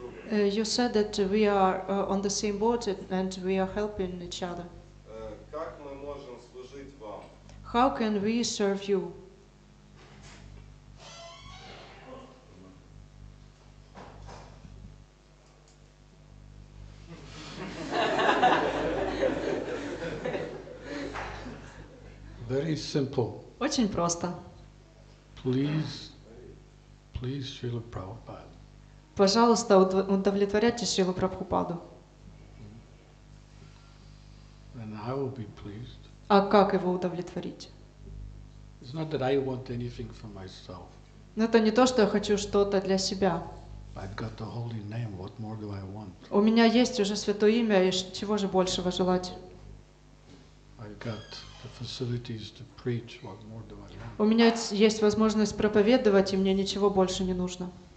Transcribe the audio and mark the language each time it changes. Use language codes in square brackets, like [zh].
[en] You said that we are on the same boat and we are helping each other. [ru] Как мы можем служить вам? [en] How can we serve you? Very simple. [ru] Очень просто. [en] Please feel proud by it. [ru] Пожалуйста, удовлетворяйте Шрилу Прабхупаду. [en] And I will be pleased. [ru] А как его удовлетворить? [en] It's not that I want anything for myself. [ru] Но это не то, что я хочу что-то для себя. [en] I've got the holy name. What more do I want? [ru] У меня есть уже святое имя, и чего же большего желать? [en] I've got the facilities to preach. What more do I want? [ru] У меня есть возможность проповедовать, и мне ничего больше не нужно.